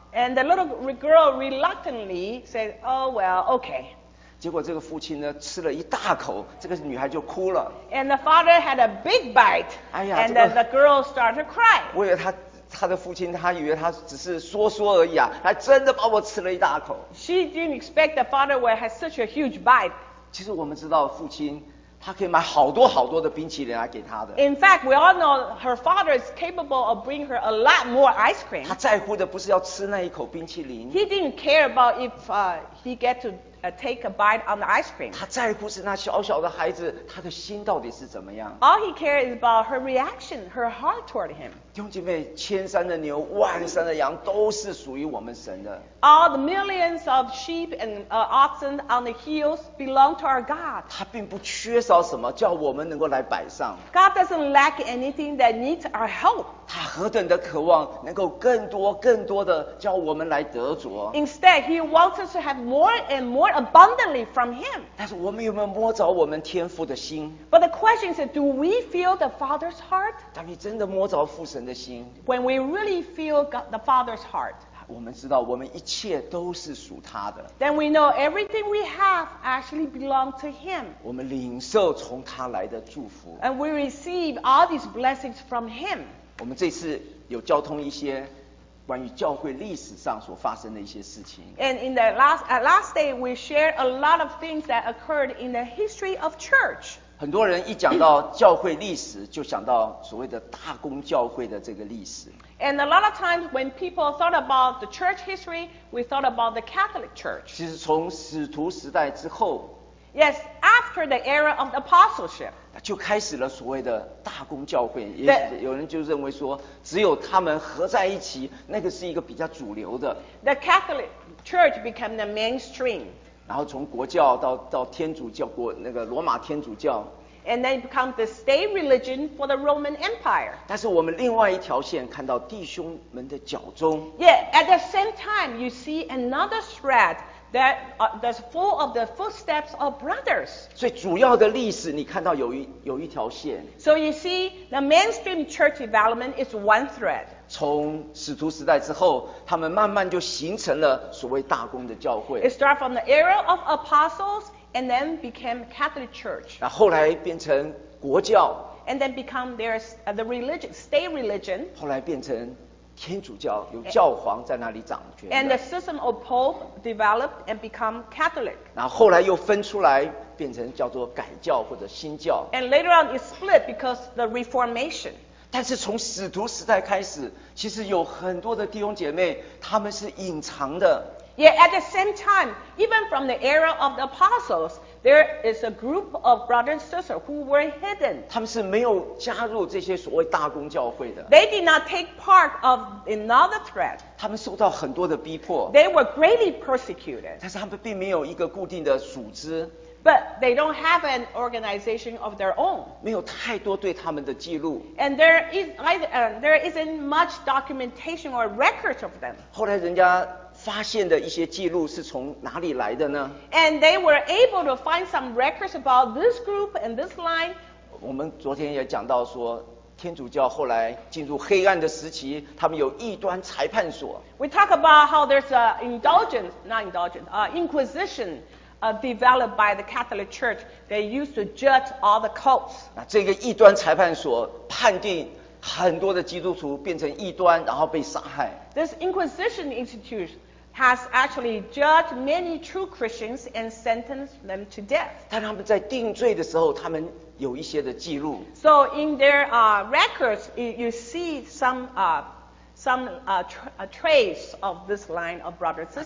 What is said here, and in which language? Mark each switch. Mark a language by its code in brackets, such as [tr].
[en] And the little girl reluctantly said, oh well, okay. [zh] 结果这个父亲呢吃了一大口，这个女孩就哭了。 [en] And the father had a big bite. 哎呀， and then the girl started to cry. [zh] 我以为他的父亲，他以为他只是说说而已啊，还真的把我吃了一大口。 [en] She didn't expect the father would have such a huge bite. [zh] 其实我们知道父亲他可以买好多好多的冰淇淋来给他的。 [en] In fact, we all know her father is capable of bringing her a lot more ice cream. [zh] 他在乎的不是要吃那一口冰淇淋。 [en] He didn't care about if he get to take a bite on the ice cream. [zh] 他在乎是那小小的孩子，他的心到底是怎么样。 [en] All he cares is about her reaction, her heart toward him. [zh] 弟兄姐妹，千山的牛，万山的羊，都是属于我们神的。 [en] All the millions of sheep and oxen on the hills belong to our God. [zh] 他并不缺少什么，叫我们能够来摆上。 [en] God doesn't lack anything that needs our help. [zh] 他何等的渴望，能够更多更多的叫我们来得着。 [en] Instead, he wants us to have more and more abundantly from him. [zh] 但是我们有没有摸着我们天父的心？ [en] But the question is, do we feel the Father's heart? [zh] 当你真的摸着父神的心。 [en] When we really feel the Father's heart. [zh] 我们知道我们一切都是属他的。 [en] Then we know everything we have actually belong to him. [zh] 我们领受从他来的祝福。 [en] And we receive all these blessings from him. [zh] 我们这次有交通一些关于教会历史上所发生的一些事情。 [en] And in the last day, we shared a lot of things that occurred in the history of church. [zh] 很多人一讲到教会历史，就想到所谓的大公教会的这个历史。 [en] And a lot of times when people thought about the church history, we thought about the Catholic Church. [zh] 其实从使徒时代之后。 [en] Yes, after the era of the apostleship. [zh] 就开始了所谓的大公教会，也许有人就认为说，只有他们合在一起，那个是一个比较主流的。 [en] The Catholic Church became the mainstream. [zh] 然后从国教到天主教，国那个罗马天主教。 [en] And then it becomes the state religion for the Roman Empire. [zh] 但是我们另外一条线看到弟兄们的脚踪。 [en] Yeah, at the same time, you see another thread that that's full of the footsteps of brothers. [zh] 所以主要的历史，你看到有一条线。 [en] So you see, the mainstream church development is one thread. [zh] 从使徒时代之后，他们慢慢就形成了所谓大公的教会。 [en] It started from the era of apostles and then became Catholic Church. [zh] 那后来变成国教。 [en] And then become their the religion, state religion. [zh] 后来变成天主教，有教皇在那里掌权。 [en] And the system of pope developed and become Catholic. [zh] 然后后来又分出来，变成叫做改教或者新教。 [en] And later on, it split because the Reformation. [zh] 但是从使徒时代开始，其实有很多的弟兄姐妹，他们是隐藏的。 [en] Yet at the same time, even from the era of the apostles, there is a group of brothers and sisters who were hidden. [zh] 他们是没有加入这些所谓大公教会的。 [en] They did not take part of another thread. [zh] 他们受到很多的逼迫。 [en] They were greatly persecuted. [zh] 但是他们并没有一个固定的组织。 [en] But they don't have an organization of their own. [zh] 没有太多对他们的记录。 [en] And there isn't much documentation or records of them. [zh] 后来人家发现的一些记录是从哪里来的呢？ [en] And they were able to find some records about this group and this line. [zh] 我们昨天也讲到说，天主教后来进入黑暗的时期，他们有异端裁判所。 [en] We talk about how there's a indulgence, not indulgence, inquisition, developed by the Catholic Church. They used to judge all the cults. [zh] 那这个异端裁判所判定很多的基督徒变成异端，然后被杀害。 [en] This Inquisition Institute has actually judged many true Christians and sentenced them to death. [zh] 但他们在定罪的时候，他们有一些的记录。 [en] So in their records, you see some trace of this line of brothers and sisters.